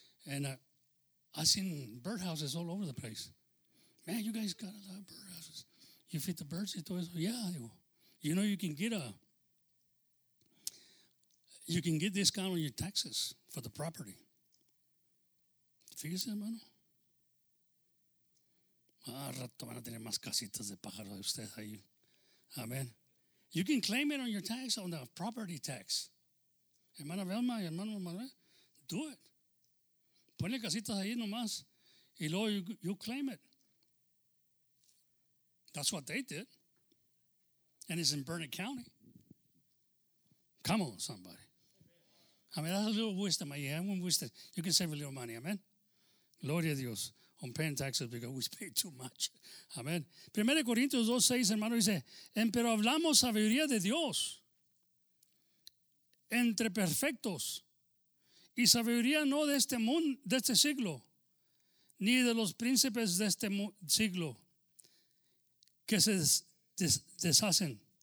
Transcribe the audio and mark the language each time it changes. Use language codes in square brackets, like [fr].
[en] And I seen birdhouses all over the place. Man, you guys got a lot of birdhouses. You feed the birds? Yeah. You know, you can get discount on your taxes for the property. [es] Fíjese, hermano. Al rato van a tener más casitas de pájaros de ustedes ahí. Amén. [en] You can claim it on your tax, on the property tax. [es] Hermana Velma y hermano Manuel, [en] do it. [es] Ponle casitas ahí nomás y luego [en] you claim it. That's what they did. And it's in Burnett County. Come on, somebody. I mean, that's a little wisdom. You can save a little money. [es] Amén. Gloria a Dios. [en] I'm paying taxes because we pay too much. Amen. [es] 1 Corintios 2, 6, hermano, dice, pero hablamos sabiduría de Dios entre perfectos y sabiduría no de este mundo, de este siglo, ni de los príncipes de este siglo que se deshacen.